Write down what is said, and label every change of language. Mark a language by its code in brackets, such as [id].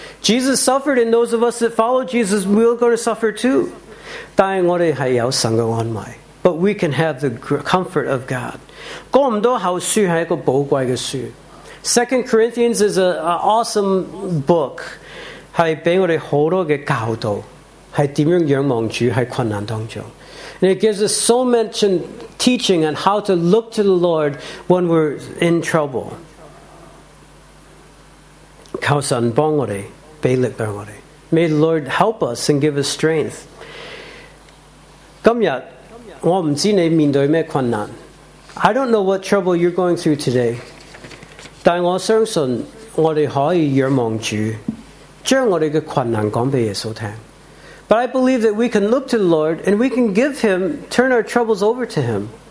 [en] Jesus suffered, and those of us that follow Jesus, we're going to suffer too. [zh] 但我们是有神的安慰. [en] But we can have the comfort of God. [zh] 哥林多后书是一个宝贵的书. [en] 2 Corinthians is an awesome book. [zh] 是给我们很多的教导，是怎样仰望主在困难当中. [en] And it gives us so much teaching on how to look to the Lord when we're in trouble. [zh] 求神帮我们，被力量我们. [en] May the Lord help us and give us strength. [zh] 今日, 我不知道你面对什么困难. [en] I don't know what trouble you're going through today. [zh] 但我相信我们可以仰望主, 将我们的困难讲给耶稣听. [en] But I believe that we can look to the Lord and we can give Him, turn our troubles over to Him.